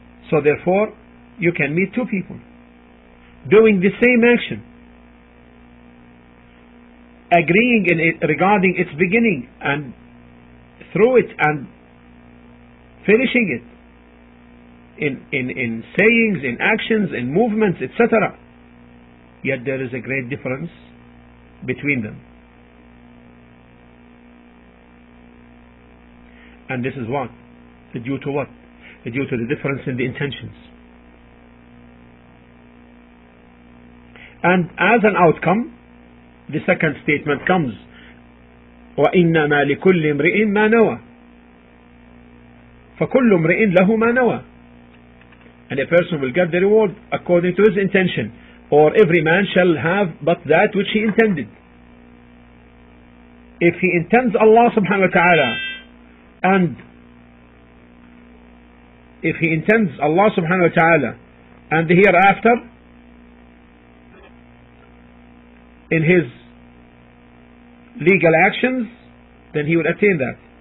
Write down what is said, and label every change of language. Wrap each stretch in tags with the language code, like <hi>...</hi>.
<en>So therefore, you can meet two people doing the same action, agreeing in it regarding its beginning and through it and finishing it in sayings, in actions, in movements, etc. Yet there is a great difference between them. And this is what? Due to what? Due to the difference in the intentions. And as an outcome, the second statement comes,</en> <ar>وَإِنَّمَا لِكُلِّ امْرِئٍ مَا نَوَى فَكُلُّ امْرِئٍ لَهُ مَا نَوَى.</ar> <en>And a person will get the reward according to his intention, or every man shall have but that which he intended. If he intends Allah subhanahu wa ta'ala, and if he intends Allah subhanahu wa ta'ala and the hereafter in his legal actions, then he will attain that.</en>